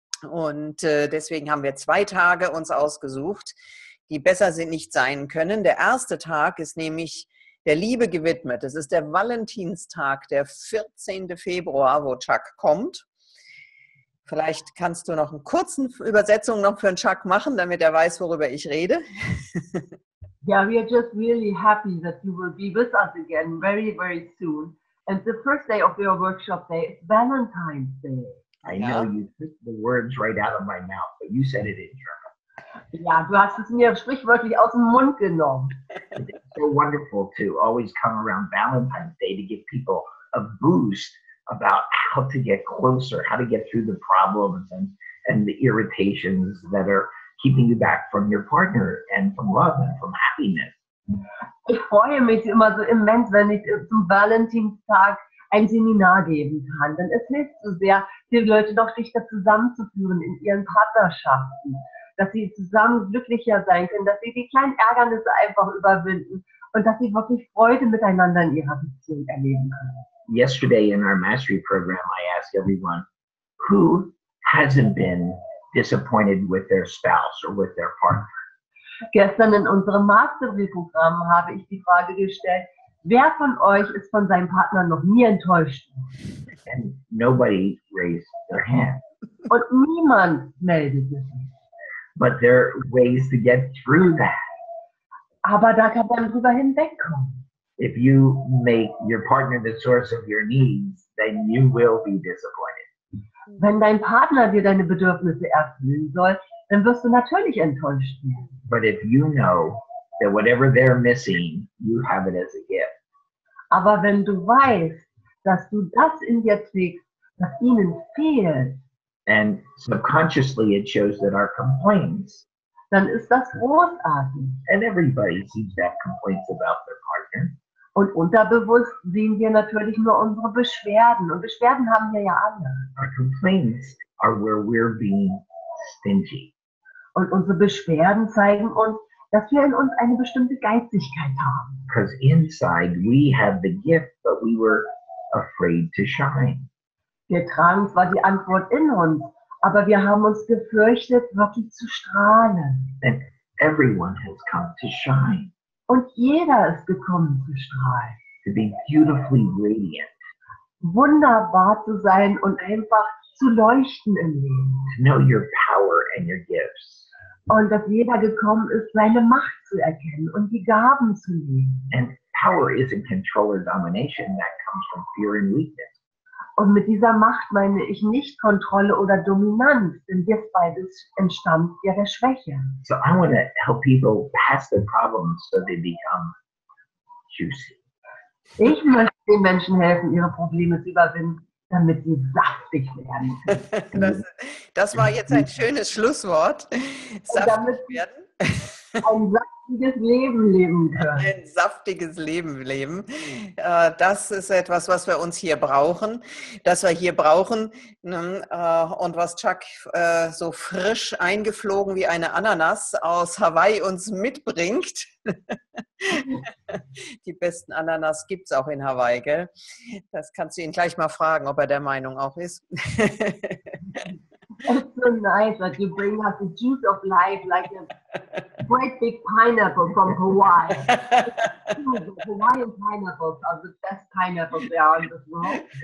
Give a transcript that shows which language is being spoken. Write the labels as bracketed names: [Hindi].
[German] Und deswegen haben wir zwei Tage uns ausgesucht, die besser sind nicht sein können. Der erste Tag ist nämlich der Liebe gewidmet. Es ist der Valentinstag, der 14. Februar, wo Chuck kommt. Vielleicht kannst du noch einen kurzen Übersetzung noch für Chuck machen, damit er weiß, worüber ich rede. [English] Yeah, we are just really happy that you will be with us again very, very soon. And the first day of your workshop day is Valentine's Day. I know you took the words right out of my mouth, but you said it in German. [German] Ja, du hast es mir sprichwörtlich aus dem Mund genommen. [English] It's so wonderful to always come around Valentine's Day to give people a boost about how to get closer, how to get through the problems and the irritations that are keeping you back from your partner and from love and from happiness. [German] Ich freue mich immer so immens, wenn ich zum Valentinstag ein Seminar geben kann, denn es hilft so sehr, die Leute doch dichter zusammenzuführen in ihren Partnerschaften, dass sie zusammen glücklicher sein können, dass sie die kleinen Ärgernisse einfach überwinden und dass sie wirklich Freude miteinander in ihrer Beziehung erleben können. [English] Yesterday in our mastery program, I asked everyone, who hasn't been disappointed with their spouse or with their partner? [German] Gestern in unserem Mastery-Programm habe ich die Frage gestellt, wer von euch ist von seinem Partner noch nie enttäuscht? [English] And nobody raised their hand. [German] Und niemand meldete sich. [English] But there are ways to get through that. [German] Aber da kann man drüber hinwegkommen. [English] If you make your partner the source of your needs, then you will be disappointed. [German] Wenn dein Partner dir deine Bedürfnisse erfüllen soll, dann wirst du natürlich enttäuscht werden. [English] But if you know that whatever they're missing, you have it as a gift. [German] Aber wenn du weißt, dass du das in dir trägst, was ihnen fehlt, [English] and subconsciously it shows that our complaints, [German] dann ist das großartig. [English] And everybody seems to have complaints about their partner. [German] Und unterbewusst sehen wir natürlich nur unsere Beschwerden. Und Beschwerden haben wir ja alle. [English] Our complaints are where we're being stingy. [German] Und unsere Beschwerden zeigen uns, dass wir in uns eine bestimmte Geizigkeit haben. [English] Because inside we have the gift, but we were afraid to shine. [German] Wir tragen zwar die Antwort in uns, aber wir haben uns gefürchtet, wirklich zu strahlen. [English] And everyone has come to shine. [German] Und jeder ist gekommen zu strahlen. [English] To be beautifully radiant. [German] Wunderbar zu sein und einfach zu leuchten im Leben. [English] To know your power and your gifts. [German] Und dass jeder gekommen ist, seine Macht zu erkennen und die Gaben zu nehmen. [English] And power isn't control or domination, that comes from fear and weakness. [German] Und mit dieser Macht meine ich nicht Kontrolle oder Dominanz, denn das beides entstammt ja der Schwäche. [English] So I want to help people pass their problems so they become juicy. [German] Ich möchte den Menschen helfen, ihre Probleme zu überwinden, damit sie saftig werden. Das war jetzt ein schönes Schlusswort. Saftig werden. Ein saftiges Leben leben können. Ein saftiges Leben leben. Das ist etwas, was wir uns hier brauchen, das wir hier brauchen. Und was Chuck so frisch eingeflogen wie eine Ananas aus Hawaii uns mitbringt. Die besten Ananas gibt es auch in Hawaii, gell? Das kannst du ihn gleich mal fragen, ob er der Meinung auch ist. [English] It's so nice that you bring us the juice of life like a great big pineapple from Hawaii. The Hawaiian pineapples are the best pineapples there are in the world.